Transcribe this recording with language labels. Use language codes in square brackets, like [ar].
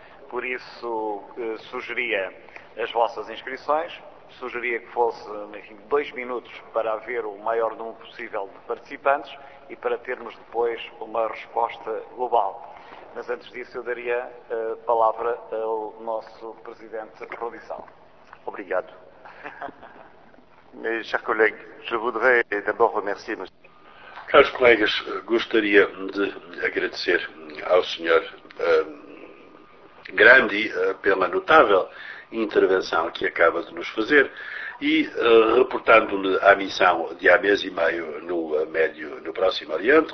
[pt] Por isso, sugeria as vossas inscrições, sugeria que fosse, enfim, 2 minutos para haver o maior número possível de participantes e para termos depois uma resposta global. Mas antes disso, eu daria a palavra ao nosso Presidente de Produção. Obrigado. [fr] Mes chers collègues, je voudrais d'abord remercier monsieur. [pt] Caros colegas, gostaria de agradecer ao senhor Grandi pela notável intervenção que acaba de nos fazer e reportando-lhe à missão de há mês e meio no Próximo Oriente.